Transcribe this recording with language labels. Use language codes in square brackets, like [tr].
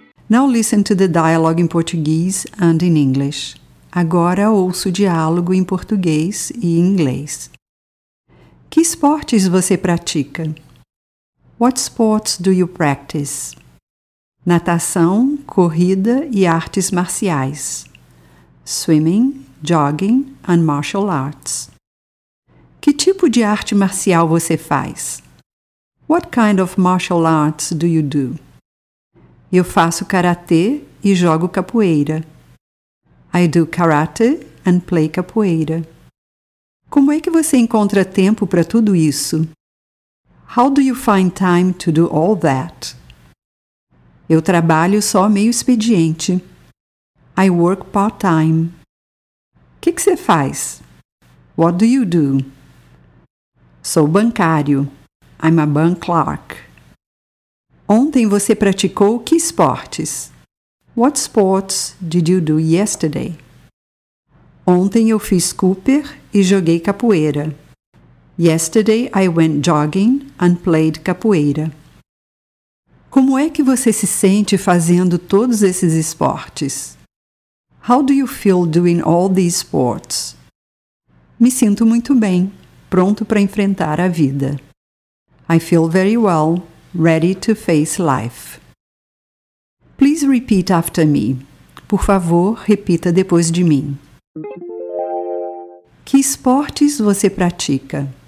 [en] Now listen to the dialogue in Portuguese and in English. [pt] Agora ouço o diálogo em português e em inglês. Que esportes você pratica? [en] What sports do you practice? [pt] Natação, corrida e artes marciais. [en] Swimming, jogging and martial arts. [pt] Que tipo de arte marcial você faz? [en] What kind of martial arts do you do? [pt] Eu faço karatê e jogo capoeira. [en] I do karate and play capoeira. [pt] Como é que você encontra tempo para tudo isso? [en] How do you find time to do all that? [pt] Eu trabalho só meio expediente. [en] I work part-time. [pt] O que você faz? [en] What do you do? [pt] Sou bancário. [en] I'm a bank clerk. [pt] Ontem você praticou que esportes? [en] What sports did you do yesterday? [pt] Ontem eu fiz scooper e joguei capoeira. [en] Yesterday I went jogging and played capoeira. [pt] Como é que você se sente fazendo todos esses esportes? [en] How do you feel doing all these sports? [pt] Me sinto muito bem, pronto para enfrentar a vida. [en] I feel very well, ready to face life. Please repeat after me. [pt] Por favor, repita depois de mim. Que esportes você pratica?